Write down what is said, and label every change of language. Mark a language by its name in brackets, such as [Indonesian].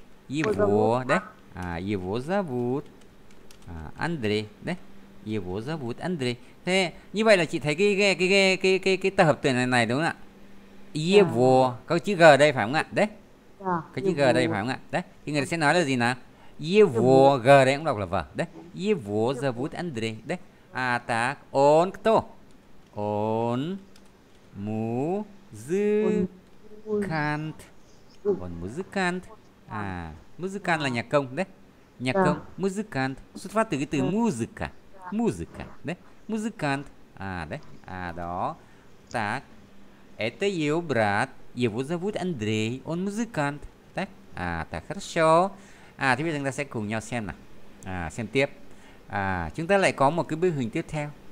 [Russian] Его да, его зовут Андрей, да, его зовут Андрей. [Vietnamese] Thế như vậy là chị thấy cái tập hợp từ này đúng không ạ? Его, có chữ g đây phải không ạ? Đấy, có chữ g đây phải không ạ? Đấy, thì người sẽ nói là gì nào? Его, g đây cũng đọc là v, đấy. [Russian] Его зовут Андрей, đấy. Так, он кто? Он музыкант. Он музыкант. [Vietnamese] Музыкант là nhạc công đấy, nhạc công. Музыкант xuất phát từ cái từ музыка, музыка đấy, музыкант. Đấy, đó. [Russian] Так, это его брат, его зовут Андрей, он музыкант. Так, так хорошо. [Vietnamese] Thì bây giờ chúng ta sẽ cùng nhau xem nào, xem tiếp. Chúng ta lại có một cái bức hình tiếp theo.